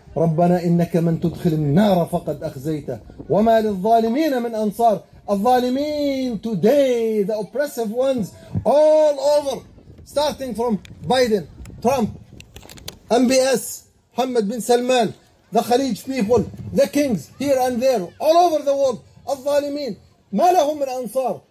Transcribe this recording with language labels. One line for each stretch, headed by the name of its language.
Arabic: ربنا إنك من تدخل النار فقد أخزيته. وما للظالمين من أنصار.
English: الظالمين today, the oppressive ones, all over, starting from Biden, Trump, MBS, Mohammed bin Salman, the Khalij people, the kings, here and there, all over the world.
Arabic: الظالمين, ما لهم من أنصار.